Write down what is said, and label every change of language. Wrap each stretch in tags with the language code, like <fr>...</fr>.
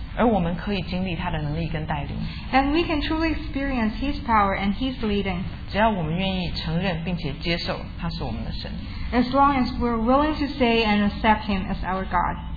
<zh>而我们可以经历他的能力跟带领。</zh> <en>And we can truly experience his power and his leading.</en> <zh>只要我们愿意承认并且接受他是我们的神。</zh> <en>As long as we're willing to say and accept him as our God.</en>